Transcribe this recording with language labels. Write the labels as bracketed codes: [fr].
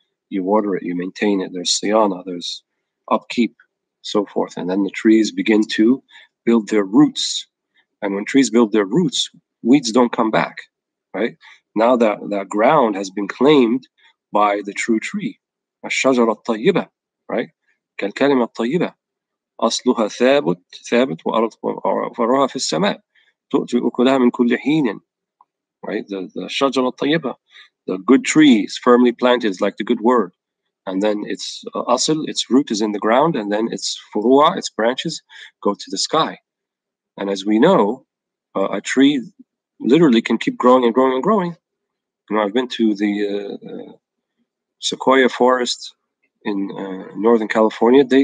[en] You water it. You maintain it. There's siyana. There's upkeep, so forth. And then the trees begin to build their roots. And when trees build their roots, weeds don't come back, right? Now that ground has been claimed by the true tree. [ar] الشجرة الطيبة, right? كالكلمة الطيبة. أصلها ثابت وفروها في السماء. تؤتي أكلها من كل حين. Right? The الشجرة الطيبة. [en] The good tree is firmly planted, is like the good word. And then its root is in the ground, and then its فروها, its branches, go to the sky. And as we know, a tree literally can keep growing and growing and growing. You know, I've been to the sequoia forest in Northern California.